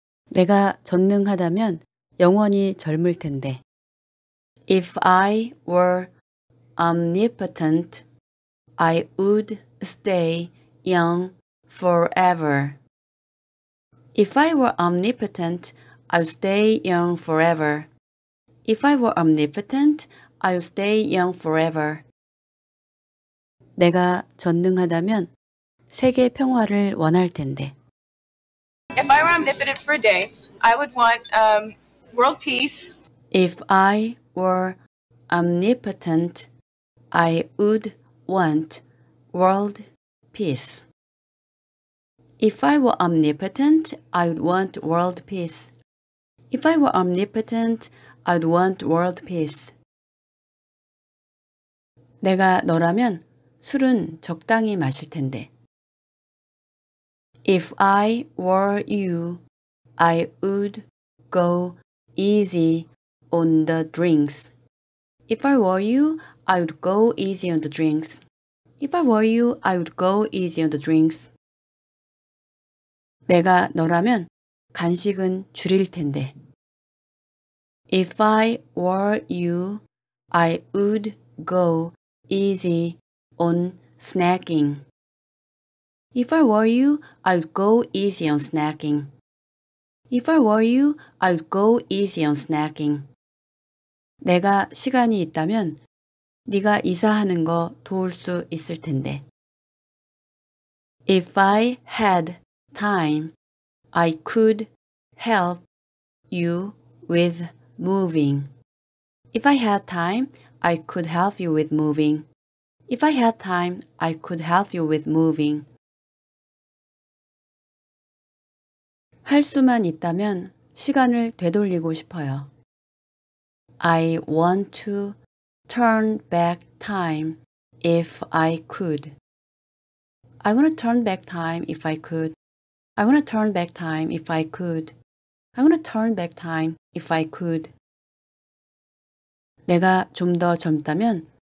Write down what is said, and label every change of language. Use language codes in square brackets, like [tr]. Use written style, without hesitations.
[ko] 내가 전능하다면 영원히 젊을 텐데. [en] If I were omnipotent, I would stay young forever. If I were omnipotent, I would stay young forever. If I were omnipotent, I would stay young forever. [ko] 내가 전능하다면 세계 평화를 원할 텐데. [en] If I were omnipotent for a day, I would want world peace. If I were omnipotent, I would want world peace. If I were omnipotent, I would want world peace. If I were omnipotent, I would want world peace. [ko] 내가 너라면 술은 적당히 마실 텐데. [en] If I were you, I would go easy on the drinks. If I were you, I would go easy on the drinks. If I were you, I would go easy on the drinks. [ko] 내가 너라면 간식은 줄일 텐데. [en] If I were you, I would go easy on snacking. If I were you, I would go easy on snacking. If I were you, I would go easy on snacking. [ko] 내가 시간이 있다면 네가 이사하는 거 도울 수 있을 텐데. [en] If I had time, I could help you with moving. If I had time, I could help you with moving. If I had time, I could help you with moving. [ko] 할 수만 있다면 시간을 되돌리고 싶어요. [en] I want to turn back time if I could. I want to turn back time if I could. I want to turn back time if I could. I want to turn back time if I could. [ko] 내가 좀 더 젊다면